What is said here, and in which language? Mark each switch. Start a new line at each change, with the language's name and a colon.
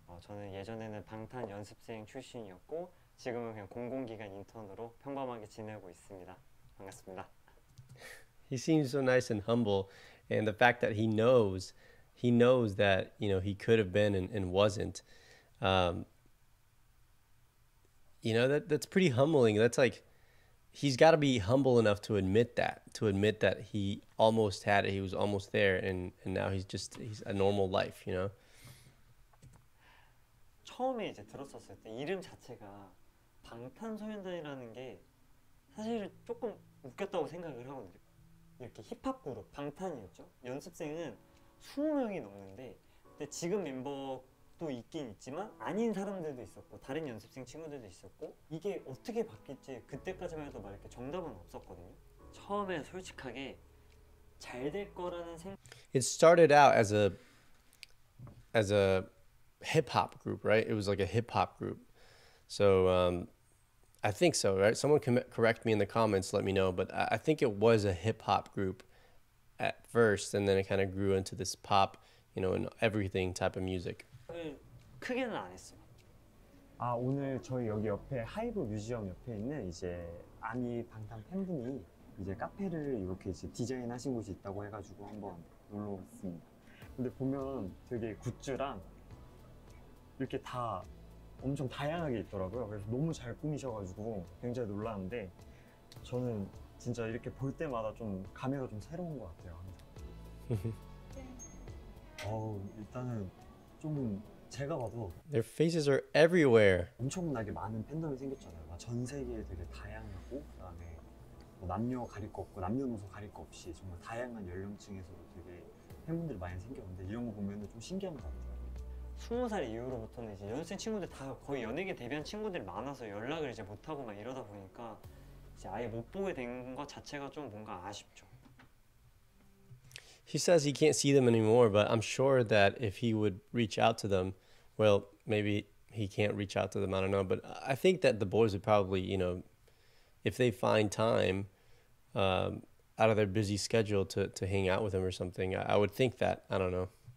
Korean: 저는 예전에는 방탄 연습생 출신이었고 지금은 그냥 공공기관 인턴으로 평범하게 지내고 있습니다. 반갑습니다.
English: He seems so nice and humble, and the fact that he knows that, you know, he could have been and wasn't. You know, that's pretty humbling. That's like, he's got to be humble enough to admit that, he almost had it, he was almost there, and now he's a normal life, you know?
Korean: 처음에 이제 들었었을 때 이름 자체가 방탄소년단이라는 게 사실 조금 웃겼다고 생각을 하거든요. 이렇게 힙합 그룹, 방탄이었죠. 연습생은 20명이 넘는데, 근데 지금 멤버 또 있긴 있지만 아닌 사람들도 있었고 다른 연습생 친구들도 있었고 이게 어떻게 바뀔지 그때까지만 해도 막 이렇게 정답은 없었거든요. 처음에 솔직하게 잘 될 거라는 생각.
English: It started out as a hip hop group, right? It was like a hip hop group. So I think so, right? Someone can correct me in the comments, let me know, but I think it was a hip hop group at first and then it kind of grew into this pop, you know, and everything type of music.
Korean: 크게는 안 했어요. 아 오늘 저희 여기 옆에 하이브 뮤지엄 옆에 있는 이제 아미 방탄 팬분이 이제 카페를 이렇게 이제 디자인하신 곳이 있다고 해가지고 한번 놀러 왔습니다. 근데 보면 되게 굿즈랑 이렇게 다 엄청 다양하게 있더라고요. 그래서 너무 잘 꾸미셔가지고 굉장히 놀랐는데 저는 진짜 이렇게 볼 때마다 좀 감회가 좀 새로운 것 같아요. 일단은
English: Their faces are everywhere.
Korean: 엄청나게 많은 팬덤이 생겼잖아요. 막 전 세계에 되게 다양하고 그다음에 뭐 남녀 가릴 거 없고 남녀노소 가릴 거 없이 정말 다양한 연령층에서도 되게 팬분들이 많이 생겼는데 이런 거 보면은 좀 신기한 것 같아요. 20살 이후로부터는 이제 연습생 친구들 다 거의 연예계 데뷔한 친구들이 많아서 연락을 이제 못 하고 막 이러다 보니까 이제 아예 못 보게 된 것 자체가 좀 뭔가 아쉽죠.
English: He says he can't see them anymore, but I'm sure that if he would reach out to them, well, maybe he can't reach out to them, I don't know, but I think that the boys would probably, you know, if they find time out of their busy schedule to hang out with him or something, I would think that, I don't know.